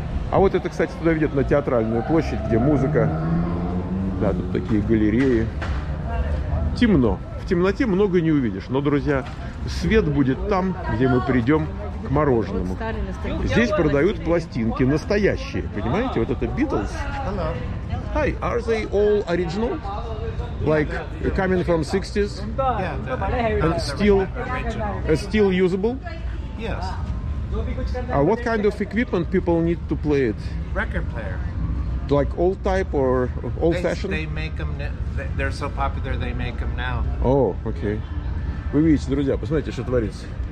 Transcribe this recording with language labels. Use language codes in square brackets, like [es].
[ru] А вот это, кстати, туда ведет, на Театральную площадь, где музыка. Да, тут такие галереи. Темно. В темноте много не увидишь. Но, друзья, свет будет там, где мы придем к мороженому. Здесь продают пластинки настоящие, понимаете? Вот это Beatles. [en] Hi, are they all original? Like coming from 60s? And still usable? Yes. What kind of equipment people need to play it? Record player. Like old type or old fashioned? They make them. They're so popular. They make them now. Oh, okay. [ru] Вы видите, друзья, посмотрите, что творится.